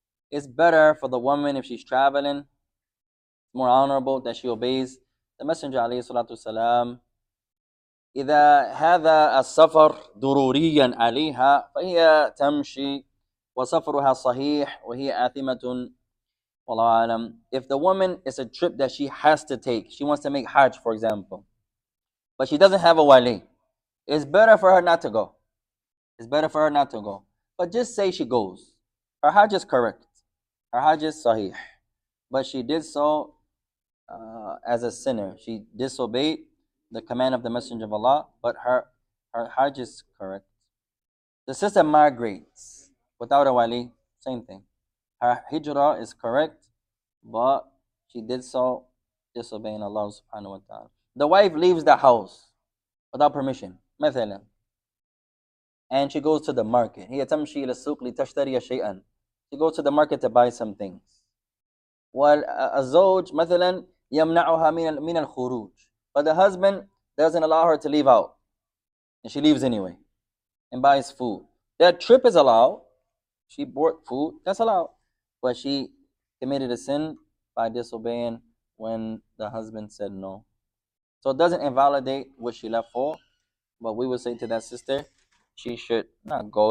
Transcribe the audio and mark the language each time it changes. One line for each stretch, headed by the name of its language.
English: It's better for the woman if she's traveling, more honorable that she obeys the messenger
Arabic: عليه الصلاة والسلام. إذا هذا السفر ضروريا عليها فهي تمشي وسفرها صحيح وهي آثمة والله أعلم.
English: If the woman is a trip that she has to take, she wants to make Hajj, for example, but she doesn't have a wali, it's better for her not to go. It's better for her not to go. But just say she goes. Her Hajj is correct. Her Hajj is sahih. But she did so as a sinner. She disobeyed the command of the Messenger of Allah, but her Hajj is correct. The sister migrates. Without a wali, same thing. Her hijrah is correct, but she did so disobeying Allah subhanahu wa ta'ala. The wife leaves the house without permission. مثلاً. And she goes to the market.
Arabic: هي تمشي إلى السوق لتشتري شيئاً.
English: She goes to the market to buy some things.
Arabic: والزوج مثلا يمنعها من الخروج.
English: But the husband doesn't allow her to leave out. And she leaves anyway and buys food. That trip is allowed. She bought food, that's allowed. But she committed a sin by disobeying when the husband said no. So it doesn't invalidate what she left for. But we would say to that sister, she should not go.